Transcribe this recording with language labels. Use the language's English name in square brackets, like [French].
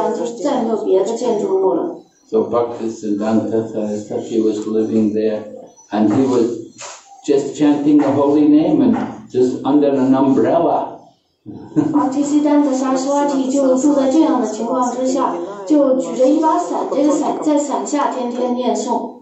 [Chinese] 当时麦普全都是一片丛林，根本就没有我们现在看到这些房子。巴提诺的塔库尔在朱彩丹的麻烦房子出生地建了一个小房子，就是这样，就再没有别的建筑物了。 [English] So Bhaktisiddhanta Sarasvati was living there, and he was just chanting the holy name and just under an umbrella. [Chinese] 巴提西丹的萨斯瓦提就住在这样的情况之下，就举着一把伞，这个伞在伞下天天念诵。